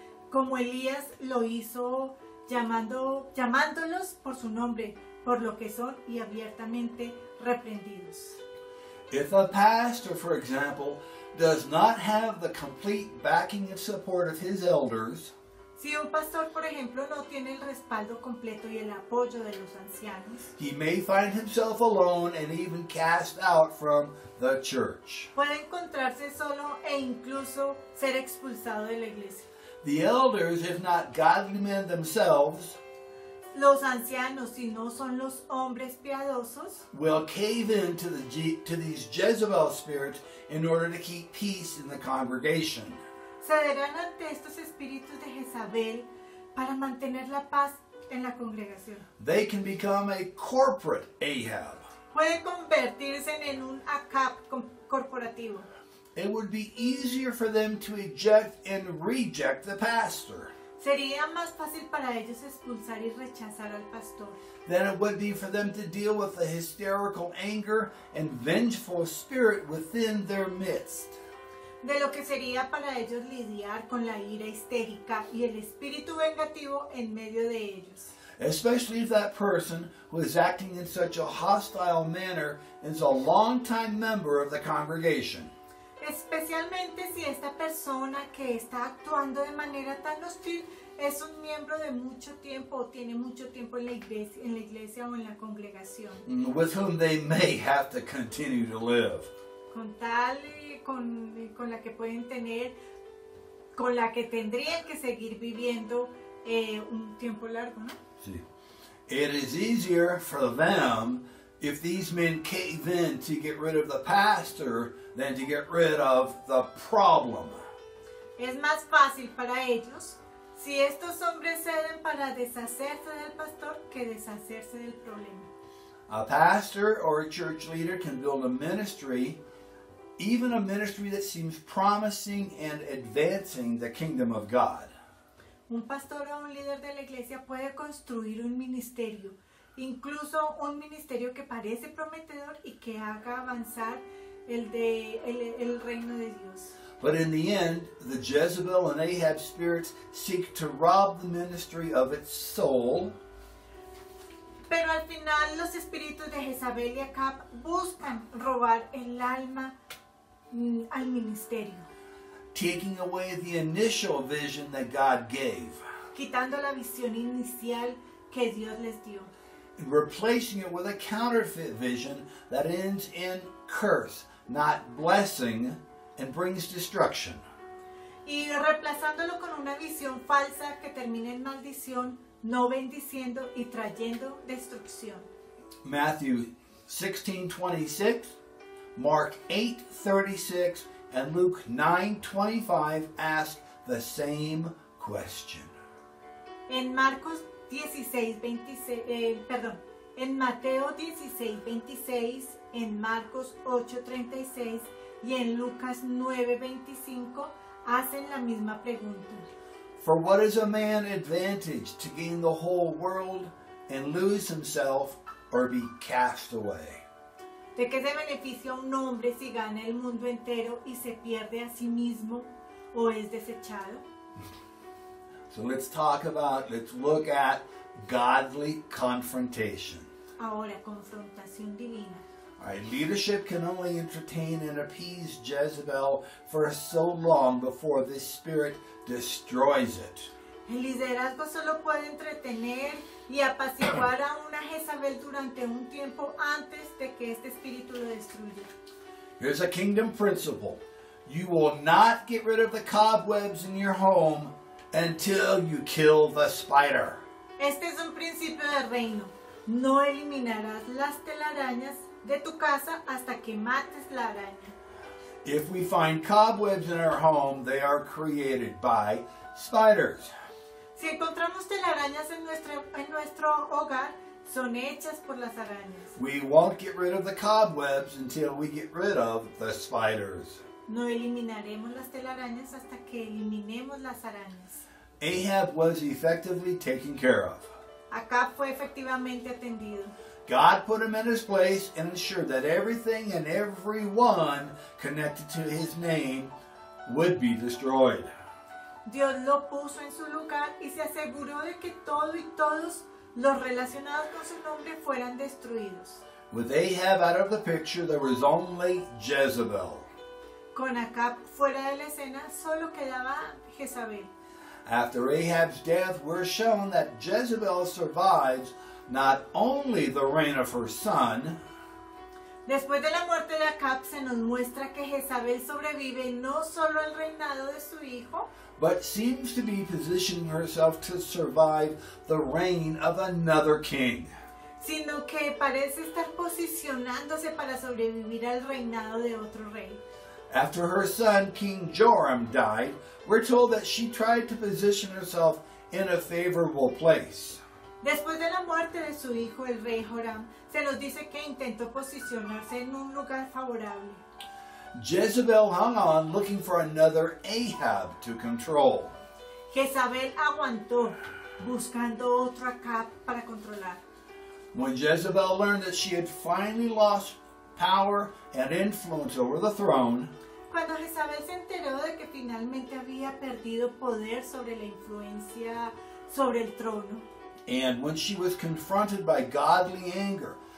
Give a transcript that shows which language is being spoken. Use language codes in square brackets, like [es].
[es] Como Elías lo hizo llamándolos por su nombre, por lo que son, y abiertamente reprendidos. [en] If a pastor, for example, does not have the complete backing and support of his elders, [es] si un pastor, por ejemplo, no tiene el respaldo completo y el apoyo de los ancianos, [en] he may find himself alone and even cast out from the church. [es] Puede encontrarse solo e incluso ser expulsado de la iglesia. [en] The elders, if not godly men themselves, [es] los ancianos, si no son los hombres piadosos, [en] will cave in to these Jezebel spirits in order to keep peace in the congregation. [es] Cederán ante estos espíritus de Jezabel para mantener la paz en la congregación. [en] They can become a corporate Ahab. [es] Puede convertirse en un Ahab corporativo. [en] It would be easier for them to eject and reject the pastor. [es] Sería más fácil para ellos expulsar y rechazar al pastor. [en] Than it would be for them to deal with the hysterical anger and vengeful spirit within their midst. [es] De lo que sería para ellos lidiar con la ira histérica y el espíritu vengativo en medio de ellos. [en] Especially if that person who is acting in such a hostile manner is a longtime member of the congregation. [es] Especialmente si esta persona que está actuando de manera tan hostil es un miembro de mucho tiempo o tiene mucho tiempo en la iglesia o en la congregación. [en] With whom they may have to continue to live. [es] Con la que pueden tener con la que tendría que seguir viviendo un tiempo largo, ¿no? Sí. [en] It is easier for them if these men cave in to get rid of the pastor than to get rid of the problem. [es] Es más fácil para ellos si estos hombres ceden para deshacerse del pastor que deshacerse del problema. [en] A pastor or a church leader can build a ministry, even a ministry that seems promising and advancing the kingdom of God. [es] Un pastor o un líder de la iglesia puede construir un ministerio, incluso un ministerio que parece prometedor y que haga avanzar el reino de Dios. [en] But in the end, the Jezebel and Ahab spirits seek to rob the ministry of its soul. [es] Pero al final los espíritus de Jezabel y Acab buscan robar el alma al ministerio. [en] Taking away the initial vision that God gave. [es] Quitando la visión inicial que Dios les dio. [en] And replacing it with a counterfeit vision that ends in curse, not blessing, and brings destruction. [es] Y reemplazándolo con una visión falsa que termina en maldición, no bendiciendo y trayendo destrucción. [en] Matthew 16:26, Mark 8:36, and Luke 9:25 ask the same question. [es] En Marcos 16:26, en Marcos 8:36 y en Lucas 9:25 hacen la misma pregunta. [en] For what is a man advantaged to gain the whole world and lose himself or be cast away? [es] ¿De qué se beneficia un hombre si gana el mundo entero y se pierde a sí mismo o es desechado? [en] So let's look at godly confrontation. [es] Ahora, confrontación divina. [en] Right, leadership can only entertain and appease Jezebel for so long before this spirit destroys it. [es] El liderazgo solo puede entretener y apaciguar a una Jezabel durante un tiempo antes de que este espíritu lo destruya. [en] Here's a kingdom principle. You will not get rid of the cobwebs in your home until you kill the spider. [es] Este es un principio de reino. No eliminarás las telarañas de tu casa hasta que mates la araña. [en] If we find cobwebs in our home, they are created by spiders. [es] Si encontramos telarañas en nuestro hogar, son hechas por las arañas. [en] We won't get rid of the cobwebs until we get rid of the spiders. [es] No eliminaremos las telarañas hasta que eliminemos las arañas. [en] Ahab was effectively taken care of. [es] Acab fue efectivamente atendido. [en] God put him in his place and ensured that everything and everyone connected to his name would be destroyed. [es] Dios lo puso en su lugar y se aseguró de que todo y todos los relacionados con su nombre fueran destruidos. [en] With Ahab out of the picture, there was only Jezebel. [es] Con Acab fuera de la escena, solo quedaba Jezabel. [en] After Ahab's death, we're shown that Jezebel survives not only the reign of her son. [es] Después de la muerte de Acab, se nos muestra que Jezabel sobrevive no solo al reinado de su hijo, [en] but seems to be positioning herself to survive the reign of another king. [es] Sino que parece estar posicionándose para sobrevivir al reinado de otro rey. [en] After her son, King Joram, died, we're told that she tried to position herself in a favorable place. [es] Después de la muerte de su hijo, el rey Joram, se nos dice que intentó posicionarse en un lugar favorable. [en] Jezebel hung on, looking for another Ahab to control. [es] Jezabel aguantó, buscando otro Acab para controlar. [en] When Jezebel learned that she had finally lost power and influence over the throne, [es] cuando Jezabel se enteró de que finalmente había perdido poder sobre la influencia sobre el trono, [en] and when she was confronted by godly anger,